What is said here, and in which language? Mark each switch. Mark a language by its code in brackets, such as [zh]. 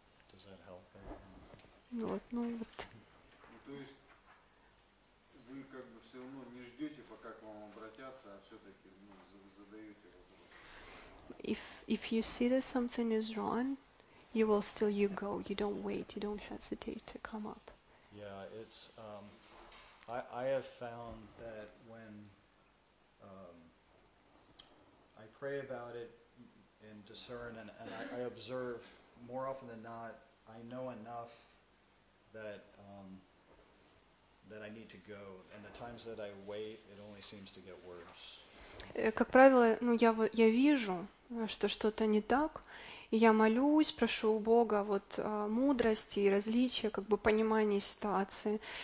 [en] Does that help? [ru] Вот, ну вот. То есть вы как бы все равно не ждете, пока к вам обратятся, а все-таки задаете вопрос. [en] If you see that something is wrong, you will still you go. You don't wait. You don't hesitate to come up. Yeah, it's I have found that when I pray about it and discern and I observe more often than not, I know enough that I need to go. And the times that I wait, it only seems to get worse. [ru] Как правило, ну я вижу, что что-то не так, и я молюсь, прошу у Бога вот мудрости и различия, как бы понимание ситуации.